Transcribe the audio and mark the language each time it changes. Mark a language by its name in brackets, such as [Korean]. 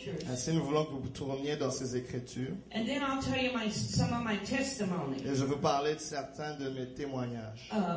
[French] Ainsi, nous voulons que vous tourniez dans ces Écritures. [English] And then I'll tell you some of my testimonies. [French] Et je vais parler de certains de mes témoignages.